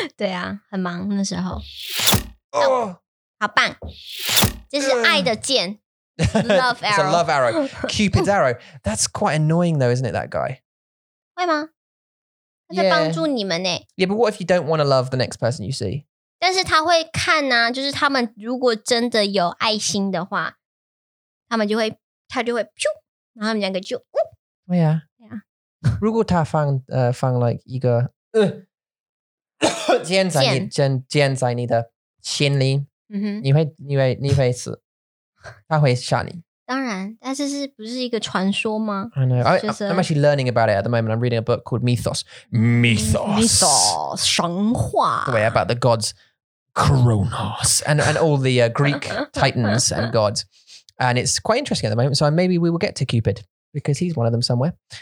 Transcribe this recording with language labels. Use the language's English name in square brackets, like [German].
[Chinese] 对啊,很忙那时候.Oh! 好棒! 这是爱的箭. [English] Love arrow. It's a love arrow. Cupid's arrow. That's quite annoying though, isn't it, that guy? [Chinese] 会吗?他在帮助你们耶. [English] Yeah, but what if you don't want to love the next person you see? [Chinese] 但是他会看啊, 就是他们如果真的有爱心的话, 他们就会, 他就会, 噗, 然后他们两个就, 噗。 [English] Oh, yeah. Yeah. [Chinese] 如果他放, 放, like, 一个, 箭在你, 箭在你的心里, 你会死, 他会杀你。当然, 但是不是一个传说吗? [English] I know. I'm actually learning about it at the moment. I'm reading a book called Mythos. [Chinese] Mythos. 神话. [English] Wait, about the gods. Kronos and all the Greek titans and gods. And it's quite interesting at the moment. So maybe we will get to Cupid because he's one of them somewhere.